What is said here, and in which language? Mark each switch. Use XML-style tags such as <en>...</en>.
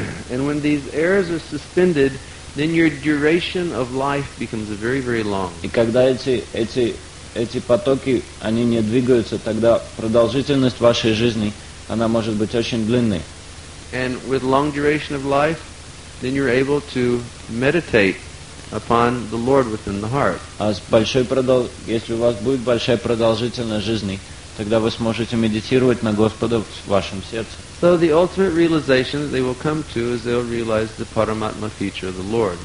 <en>And when these errors are suspended, then your duration of life becomes very, very long.</en> <ru>И когда эти потоки, они не двигаются, тогда продолжительность вашей жизни, она может быть очень длинной.</ru> <en>and with long duration of life, then you're able to meditate upon the Lord within the heart.</en> <ru>Если у вас будет большая продолжительность жизни, тогда вы сможете медитировать на Господа в вашем сердце.</ru> <en>So the ultimate realization they will come to is they'll realize the Paramatma feature of the Lord.</en>